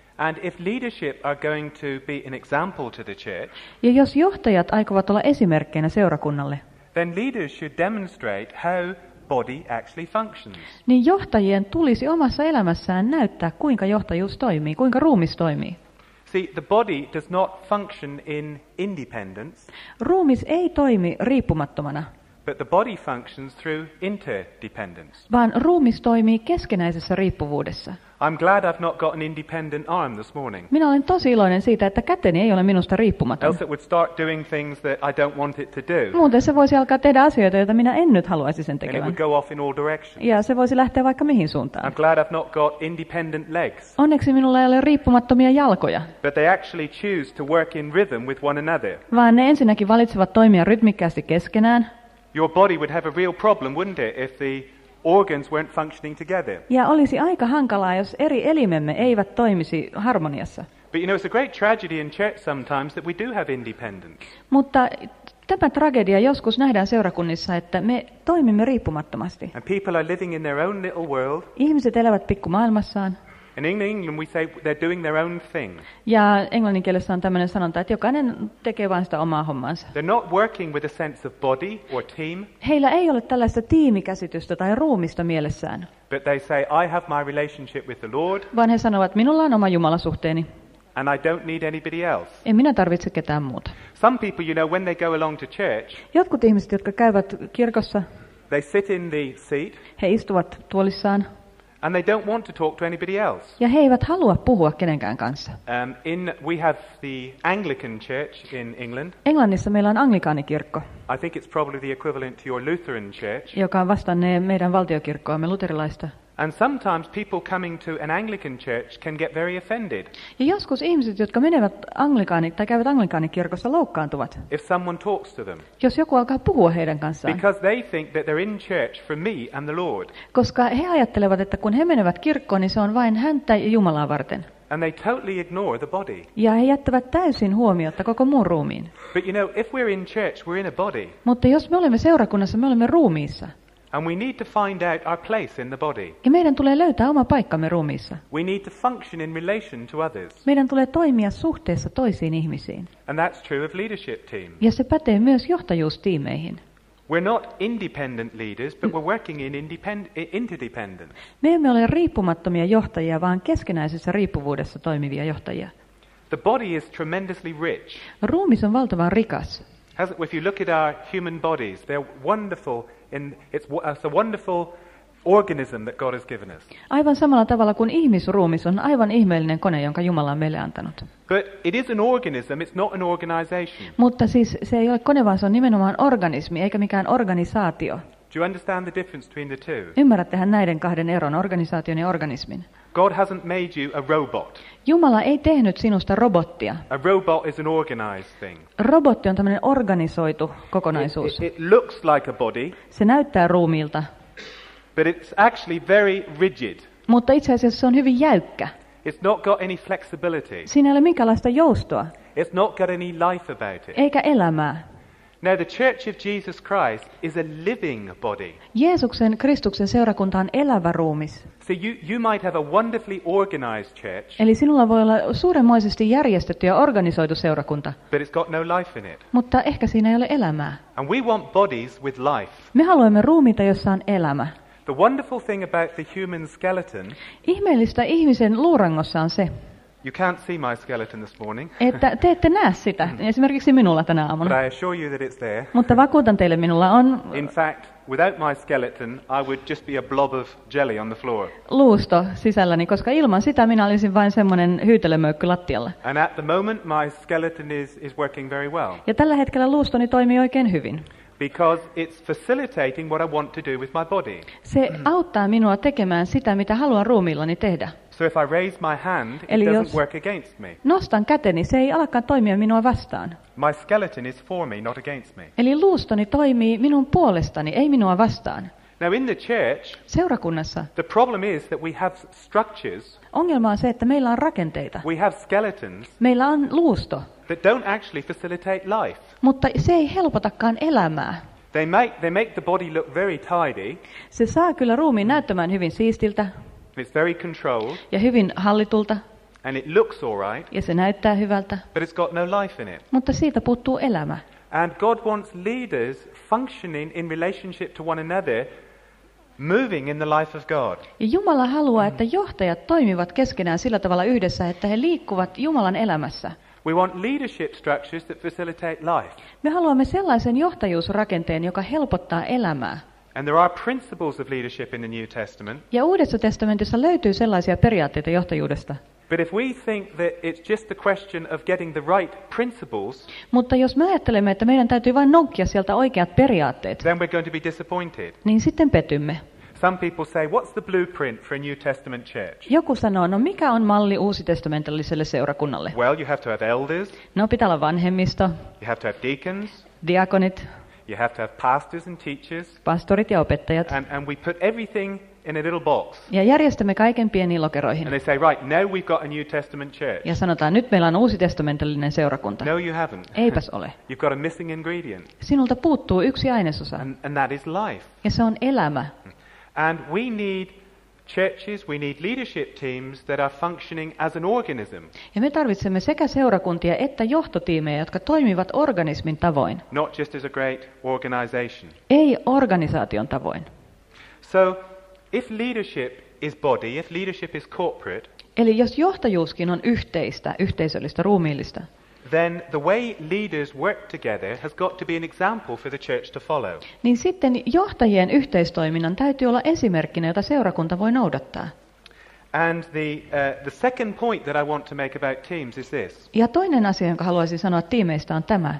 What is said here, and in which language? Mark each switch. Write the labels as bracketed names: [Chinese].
[English] And if leadership are going to be an example to the church, [Finnish] ja jos johtajat aikovat olla esimerkkeinä seurakunnalle, [English] then leaders should demonstrate how body actually functions. [Finnish] Niin johtajien tulisi omassa elämässään näyttää, kuinka johtajuus toimii, kuinka ruumis toimii. [English] See, the body does not function in independence. [Finnish] Ruumis ei toimi riippumattomana. [English] But the body functions through interdependence. [Finnish] Vaan ruumis toimii keskinäisessä riippuvuudessa. [English] I'm glad I've not got an independent arm this morning. [Finnish] Minä olen tosi iloinen siitä, että käteni ei ole minusta riippumaton. [English] Else it would start doing things that I don't want it to do. [Finnish] Muuten se voisi alkaa tehdä asioita, joita minä en nyt haluaisi sen tekevän. [English] And it would go off in all directions. [Finnish] Ja se voisi lähteä vaikka mihin suuntaan. [English] I'm glad I've not got independent legs. [Finnish] Onneksi minulla ei ole riippumattomia jalkoja. [English] But they actually choose to work in rhythm with one another. [Finnish] Vaan ne ensinnäkin valitsevat toimia rytmikkäästi keskenään. [English] Your body would have a real problem, wouldn't it, if the organs weren't functioning together. [Finnish] Ja olisi aika hankalaa, jos eri elimemme eivät toimisi harmoniassa. [English] But you know, it's a great tragedy in church sometimes that we do have independence. [Finnish] Mutta tämä tragedia joskus nähdään seurakunnissa, että me toimimme riippumattomasti. [English] And people are living in their own little world. [Finnish] Ihmiset elävät pikkumaailmassaan. [English] In England we say they're doing their own thing. [Finnish] Ja englanninkielessä on tämmöinen sanonta, että jokainen tekee vain sitä omaa hommansa. [English] They're not working with a sense of body or team. [Finnish] Heillä ei ole tällaista tiimikäsitystä tai ruumista mielessään. [English] But they say I have my relationship with the Lord. [Finnish] Vaan he sanovat, että minulla on oma Jumalasuhteeni. [English] And I don't need anybody else. [Finnish] En minä tarvitse ketään muuta. [English] Some people, you know, when they go along to church. [Finnish] Jotkut ihmiset, jotka käyvät kirkossa. [English] They sit in the seat. [Finnish] He istuvat tuolissaan. [English] And they don't want to talk to anybody else. [Finnish] Ja he eivät halua puhua kenenkään kanssa. [English] We have the Anglican church in England. [Finnish] Englannissa meillä on anglikaanikirkko. [English] I think it's probably the equivalent to your Lutheran church. [Finnish] Joka on vastannee meidän valtiokirkkoamme luterilaista. [English] And sometimes people coming to an Anglican church can get very offended. [Finnish] Ja joskus ihmiset, jotka menevät anglikaanikirkossa, loukkaantuvat. [English] If someone talks to them. [Finnish] Jos joku alkaa puhua heidän kanssaan. [English] Because they think that they're in church for me and the Lord. [Finnish] Koska he ajattelevat, että kun he menevät kirkkoon, niin se on vain häntä ja Jumalaa varten. [English] And they totally ignore the body. [Finnish] Ja he jättävät täysin huomiotta koko muun ruumiin. [English] But you know, if we're in church, we're in a body. [Finnish] Mutta jos me olemme seurakunnassa, me olemme ruumiissa. [English] And we need to find out our place in the body. [Finnish] Ja meidän tulee löytää oma paikkamme ruumiissa. [English] We need to function in relation to others. [Finnish] Meidän tulee toimia suhteessa toisiin ihmisiin. [English] And that's true of leadership teams. [Finnish] Ja se pätee myös johtajuustiimeihin. [English] We're not independent leaders, but we're working in interdependence. [Finnish] Me emme ole riippumattomia johtajia, vaan keskinäisessä riippuvuudessa toimivia johtajia. [English] The body is tremendously rich. [Finnish] Ruumis on valtavan rikas. [English] If you look at our human bodies, they're wonderful. And it's a wonderful organism that God has given us. [Finnish] Aivan samalla tavalla kuin ihmisruumis on aivan ihmeellinen kone, jonka Jumala on meille antanut. [English] But it is an organism, it's not an organization. [Finnish] Mutta siis se ei ole kone, vaan se on nimenomaan organismi, eikä mikään organisaatio. [English] Do you understand the difference between the two? [Finnish] Ymmärrättehän näiden kahden eron, organisaation ja organismin? [English] God hasn't made you a robot. [Finnish] Jumala ei tehnyt sinusta robottia. [English] A robot is an organized thing. [Finnish] Robotti on tämmöinen organisoitu kokonaisuus. [English] It looks like a body. [Finnish] Se näyttää ruumiilta. [English] But it's actually very rigid. [Finnish] Mutta itse asiassa se on hyvin jäykkä. [English] It's not got any flexibility. [Finnish] Siinä ei ole minkäänlaista joustoa. [English] It's not got any life about it. [Finnish] Eikä elämää. [English] Now the Church of Jesus Christ is a living body. [Finnish] Jeesuksen Kristuksen seurakunta on elävä ruumis. [English] So you might have a wonderfully organized church. [Finnish] Eli sinulla voi olla suuremmoisesti järjestetty ja organisoitu seurakunta. [English] But it's got no life in it. [Finnish] Mutta ehkä siinä ei ole elämää. [English] And we want bodies with life. [Finnish] Me haluamme ruumiita, jossa on elämä. [English] The wonderful thing about the human skeleton. [Finnish] Ihmeellistä ihmisen luurangossa on se. [English] You can't see my skeleton this morning. [Finnish] Että te ette näe sitä. Esimerkiksi minulla tänä aamuna. [English] But I assure you that it's there. [Finnish] Mutta vakuutan teille, minulla on. [English] In fact, without my skeleton, I would just be a blob of jelly on the floor. [Finnish] Luusto sisälläni, koska ilman sitä minä olisin vain semmoinen hyytelömöykky lattialla. [English] And at the moment my skeleton is working very well. [Finnish] Ja tällä hetkellä luustoni toimii oikein hyvin. [English] Because it's facilitating what I want to do with my body. [Finnish] Se auttaa minua tekemään sitä, mitä haluan ruumiillani tehdä. [English] So if I raise my hand, [Finnish] eli [English] it doesn't work against me. [Finnish] Nostan käteni, se ei alkaa toimia minua vastaan. [English] My skeleton is for me, not against me. [Finnish] Eli luustoni toimii minun puolestani, ei minua vastaan. [English] Now in the church, [Finnish] seurakunnassa, [English] the problem is that we have structures. [Finnish] Ongelma on se, että meillä on rakenteita. [English] We have skeletons. [Finnish] Meillä on luusto. [English] That don't actually facilitate life. [Finnish] Mutta se ei helpotakaan elämää. [English] They make the body look very tidy. [Finnish] Se saa kyllä ruumiin näyttämään hyvin siistiltä. [English] It's very controlled. [Finnish] Ja hyvin hallitulta. [English] And it looks all right. [Finnish] Ja se näyttää hyvältä. [English] But it's got no life in it. [Finnish] Mutta siitä puuttuu elämä. [English] And God wants leaders functioning in relationship to one another, moving in the life of God. [Finnish] Ja Jumala haluaa, että johtajat toimivat keskenään sillä tavalla yhdessä, että he liikkuvat Jumalan elämässä. [English] We want leadership structures that facilitate life. [Finnish] Me haluamme sellaisen johtajuusrakenteen, joka helpottaa elämää. [English] And there are principles of leadership in the New Testament. [Finnish] Ja Uudessa testamentissa löytyy sellaisia periaatteita johtajuudesta. [English] But if we think that it's just a question of getting the right principles. [Finnish] Mutta jos me ajattelemme, että meidän täytyy vain nokkia sieltä oikeat periaatteet. [English] Then we're going to be disappointed. [Finnish] Niin sitten petymme. [English] Some people say, what's the blueprint for a New Testament church? [Finnish] Joku sanoo, no mikä on malli uusitestamentilliselle seurakunnalle? [English] Well, you have to have elders. [Finnish] No, pitää olla vanhemmisto. [English] You have to have deacons. [Finnish] Diakonit. [English] You have to have pastors and teachers. [Finnish] Pastorit ja opettajat. [English] And we put everything in a little box. [Finnish] Ja järjestämme kaiken pieniin lokeroihin. [English] And they say, right, now we've got a New Testament church. [Finnish] Ja sanotaan, nyt meillä on uusitestamentillinen seurakunta. [English] No, you haven't. [Finnish] Eipäs ole. [English] You've got a missing ingredient. [Finnish] Sinulta puuttuu yksi ainesosa. [English] And that is life. [Finnish] Ja se on elämä. [English] And we need churches, we need leadership teams that are functioning as an organism. [Finnish] Ja me tarvitsemme sekä seurakuntia että johtotiimejä, jotka toimivat organismin tavoin. [English] Not just as a great organization. [Finnish] Ei organisaation tavoin. [English] So if leadership is body, if leadership is corporate, [Finnish] eli jos johtajuuskin on yhteistä, yhteisöllistä, ruumiillista, [English] then the way leaders work together has got to be an example for the church to follow. [Finnish] Niin sitten johtajien yhteistoiminnan täytyy olla esimerkkinä, jota seurakunta voi noudattaa. [English] And the second point that I want to make about teams is this. [Finnish] Ja toinen asia, jonka haluaisin sanoa tiimeistä, on tämä.